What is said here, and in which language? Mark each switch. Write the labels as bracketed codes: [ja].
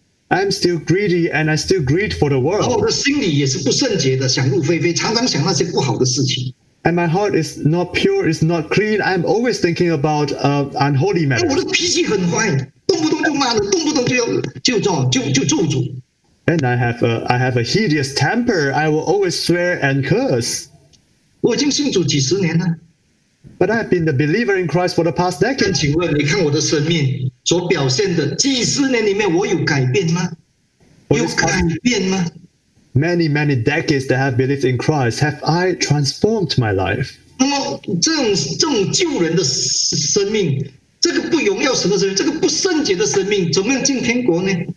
[en] I'm still greedy and I still greed for the world. [zh] 然后我的心里也是不圣洁的，想入非非，常常想那些不好的事情。 [en] And my heart is not pure, it's not clean. I'm always thinking about unholy matters. And I have a hideous temper. I will always swear and curse. [zh] 我已经信主几十年了。 [en] But I have been the believer in Christ for the past decade. [zh] 请问你看我的生命所表现的几十年里面我有改变吗? 有改变吗? [en] Many, many decades that I have believed in Christ, have I transformed my life? [zh] 那么这种救人的生命，这个不荣耀神的生命，这个不圣洁的生命，怎么样进天国呢？